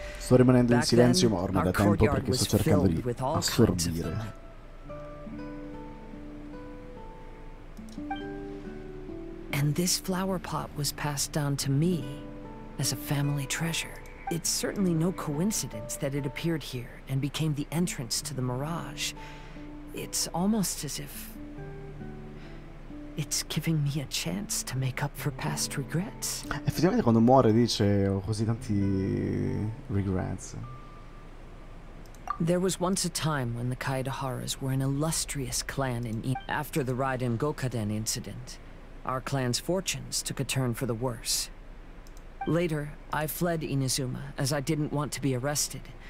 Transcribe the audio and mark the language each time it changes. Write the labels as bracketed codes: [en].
[it] Sto rimanendo in silenzio, ma ormai da tempo perché sto cercando di assorbire. [en] And this flower pot was passed down to me as a family treasure. It's certainly no coincidence that it appeared here and became the entrance to the mirage. It's almost as if... it's giving me a chance to make up for past regrets. [it] Effettivamente quando muore dice ho così tanti regrets. [en] There was once a time when the Kaidaharas were an illustrious clan in I- After the Raiden Gokaden incident, our clan's fortunes took a turn for the worse. Later, I fled Inazuma, as I didn't want to be arrested.